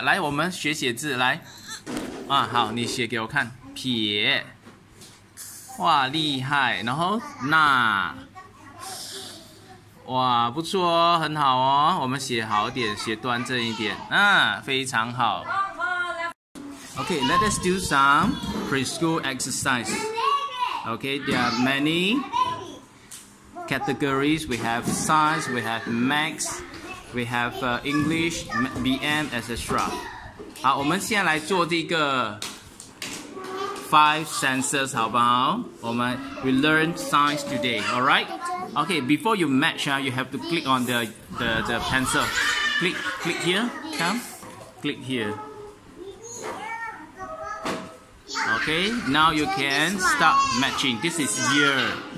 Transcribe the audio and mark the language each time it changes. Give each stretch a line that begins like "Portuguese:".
Chinese: 来，我们学写字，来，啊，好，你写给我看，撇，哇，厉害，然后捺，哇，不错哦，很好哦，我们写好点，写端正一点，啊，非常好。
English: OK, let us do some preschool exercise. OK, there are many. Categories, we have science, we have maths, we have English, BM, etc.
Chinese: 好，我们现在来做这个 five senses, 好不好？
English: 我们 we learn science today, all right? Okay, before you match, you have to click on the pencil. Click here, come, click here. Okay, now you can start matching. This is year.